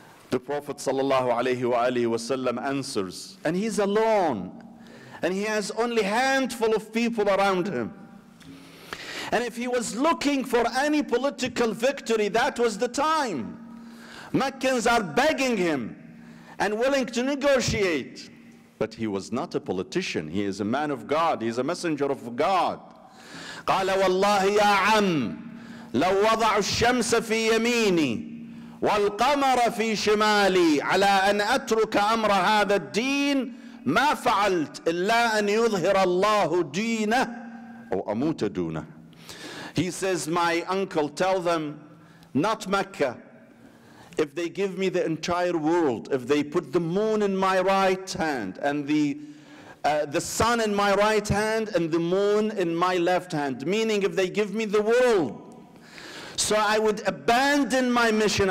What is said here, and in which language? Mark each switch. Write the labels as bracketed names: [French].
[English] The Prophet sallallahu alayhi wa alayhi wa sallam answers, and he's alone, and he has only a handful of people around him. And if he was looking for any political victory, that was the time. Meccans are begging him and willing to negotiate. But he was not a politician. He is a man of God. He is a messenger of God. [Arabic] قال والله يا عم لو وضع الشمس في يميني والقمر في شمالي على أن أترك أمر هذا الدين ما فعلت إلا أن يظهر الله دينه أو أموت دونه. [English] He says, my uncle, tell them, not Mecca. If they give me the entire world, if they put the moon in my right hand and the sun in my right hand and the moon in my left hand, meaning if they give me the world, so I would abandon my mission.